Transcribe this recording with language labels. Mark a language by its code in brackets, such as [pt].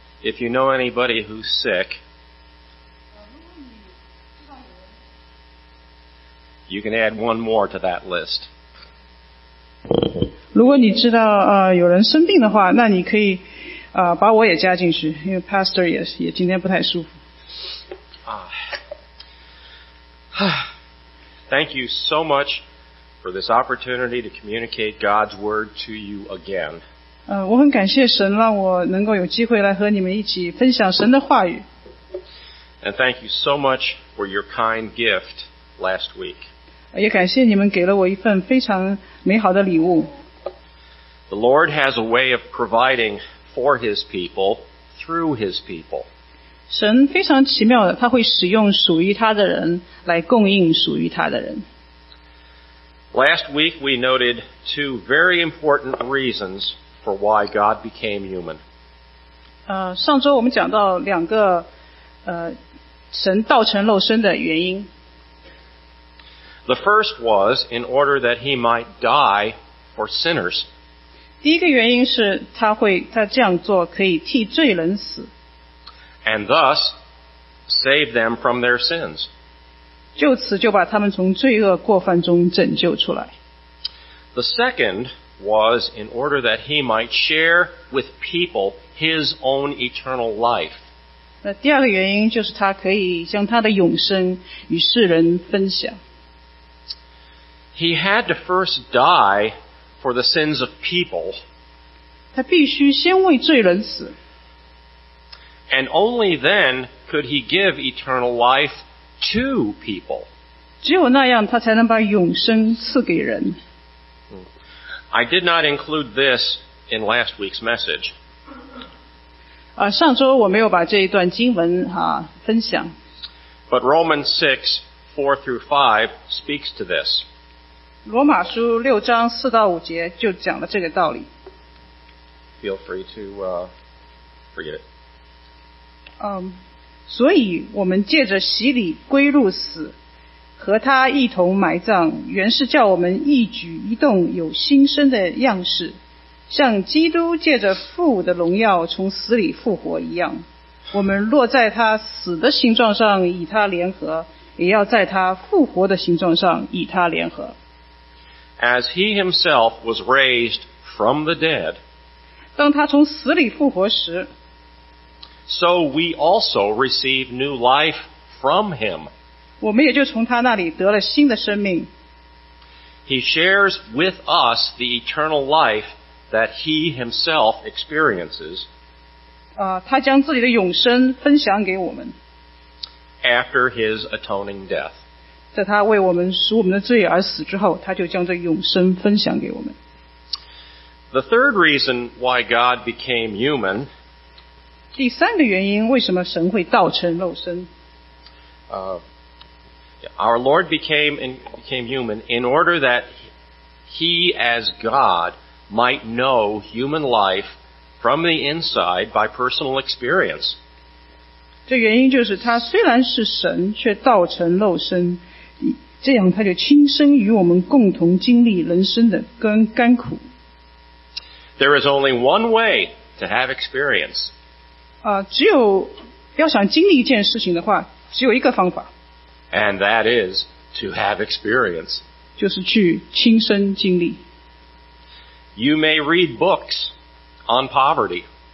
[en] If you know anybody who's sick, you can add one more to that list. [zh] 如果你知道有人生病的话，那你可以把我也加进去，因为 Pastor 也今天不太舒服。 [en] Thank you so much for this opportunity to communicate God's word to you again. [zh] 我很感谢神让我能够有机会来和你们一起分享神的话语。 [en] And thank you so much for your kind gift last week. [zh] 也感谢你们给了我一份非常美好的礼物。 [en] The Lord has a way of providing for His people through His people. [zh] 神非常奇妙的，他会使用属于他的人来供应属于他的人。 [en] Last week we noted two very important reasons for why God became human. [zh] 上周我们讲到两个神道成肉身的原因。 [en] The first was in order that He might die for sinners. [zh] 第一个原因是他这样做可以替罪人死。 [en] And thus, save them from their sins. [zh] 就此就把他们从罪恶过犯中拯救出来。 [en] The second was in order that he might share with people his own eternal life. [zh] 那第二个原因就是他可以将他的永生与世人分享。 [en] He had to first die for the sins of people. [zh] 他必须先为罪人死。 [en] And only then could he give eternal life to people. [zh] 只有那样他才能把永生赐给人。 [en] I did not include this in last week's message. [zh] 上周我没有把这一段经文分享。 [en] But Romans 6, 4 through 5 speaks to this. [zh] 罗马书六章四到五节就讲了这个道理。 [en] Feel free to forget it. [zh] 所以我们借着洗礼归入死，和他一同埋葬，原是叫我们一举一动有新生的样式，像基督借着父的荣耀从死里复活一样。我们落在他死的形状上与他联合，也要在他复活的形状上与他联合。 [en] As he himself was raised from the dead, [zh] 当他从死里复活时, [en] so we also receive new life from him. [zh] 我们也就从他那里得了新的生命。 [en] He shares with us the eternal life that he himself experiences. [zh] 他将自己的永生分享给我们。 [en] After his atoning death. [zh] 在他为我们赎我们的罪而死之后，他就将这永生分享给我们。 [en] The third reason why God became human. [zh] 第三个原因，为什么神会道成肉身？ [en] Our Lord became human in order that He as God might know human life from the inside by personal experience. [zh] 这原因就是他虽然是神，却道成肉身。这样他就亲身与我们共同经历人生的甘苦。 [en] There is only one way to have experience. [zh] 只有要想经历一件事情的话，只有一个方法。 [en] And that is to have experience. [zh] 就是去亲身经历。 [en] You may read books on poverty.